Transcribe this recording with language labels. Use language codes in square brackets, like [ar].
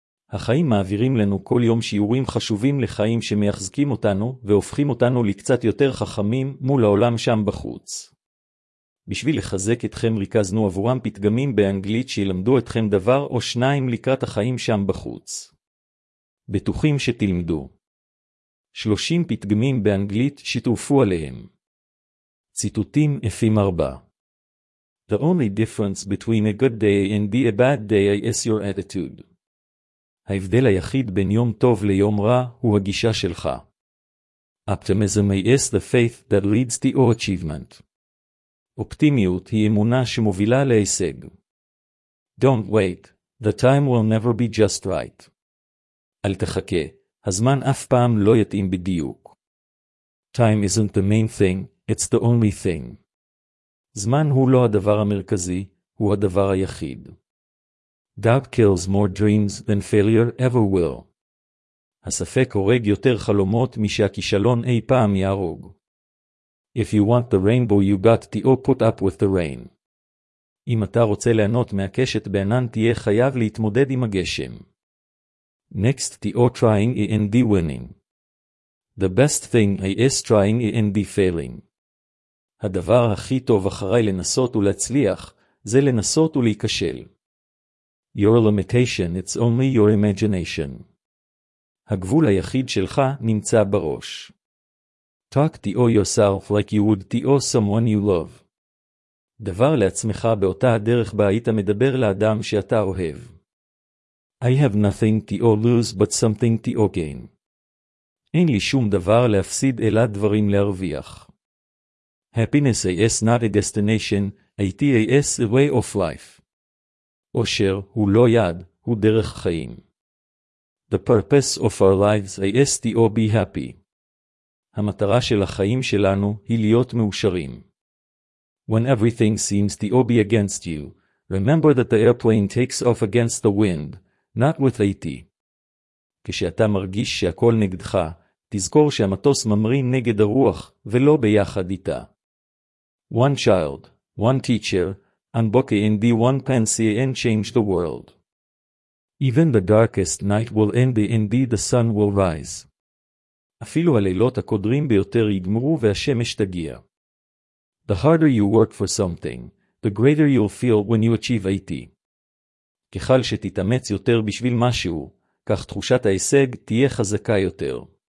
[he] החיים מעבירים לנו כל יום שיעורים חשובים לחיים שמחזקים אותנו והופכים אותנו לקצת יותר חכמים מול העולם שם בחוץ. בשביל לחזק אתכם ריכזנו עבורם פתגמים באנגלית שילמדו אתכם דבר או שניים לקראת החיים שם בחוץ. בטוחים שתלמדו. 30 פתגמים באנגלית שיתופו עליהם. ציטוטים אפים 4. [en] The only difference between a good day and a bad day is your attitude. [he] ההבדל היחיד בין יום טוב ליום רע הוא הגישה שלך. [en] Optimism is the faith that leads to your achievement. [he] אופטימיות היא אמונה שמובילה להישג. [en] Don't wait, the time will never be just right. [he] אל תחכה, הזמן אף פעם לא יתאים בדיוק. [en] Time isn't the main thing, it's the only thing. [he] זמן הוא לא הדבר המרכזי, הוא הדבר היחיד. [en] Doubt kills more dreams than failure ever will. [he] הספק הורג יותר חלומות משהכישלון אי פעם יהרוג. [en] If you want the rainbow you got to put up with the rain. [he] אם אתה רוצה ליהנות מהקשת בענן תהיה חייב להתמודד עם הגשם. [en] Next to trying and winning. The best thing is trying and failing. [he] הדבר הכי טוב אחרי לנסות ולהצליח זה לנסות ולהיכשל. [en] Your limitation it's only your imagination. [he] הגבול היחיד שלך נמצא בראש. [en] Talk to yourself like you would to someone you love. [he] דבר לעצמך באותה הדרך בה היית מדבר לאדם שאתה אוהב. [en] I have nothing to lose but something to gain. [he] אין לי שום דבר להפסיד אלא דברים להרוויח. [en] Happiness is not a destination, it is a way of life. [he] עושר הוא לא יעד, הוא דרך חיים. [en] The purpose of our lives is to be happy. [he] המטרה של החיים שלנו היא להיות מאושרים. [en] When everything seems to be against you, remember that the airplane takes off against the wind, not with it. [he] כשאתה מרגיש שהכל נגדך, תזכור שהמטוס ממריא נגד הרוח ולא ביחד איתה. [en] One child, one teacher, and book and one pencil and change the world. Even the darkest night will end and the sun will rise. [he] אפילו הלילות הקודרים ביותר יגמרו והשמש תגיע. [en] The harder you work for something, the greater you'll feel when you achieve it. [he] ככל שתתאמץ יותר בשביל משהו, כך תחושת ההישג תהיה חזקה יותר.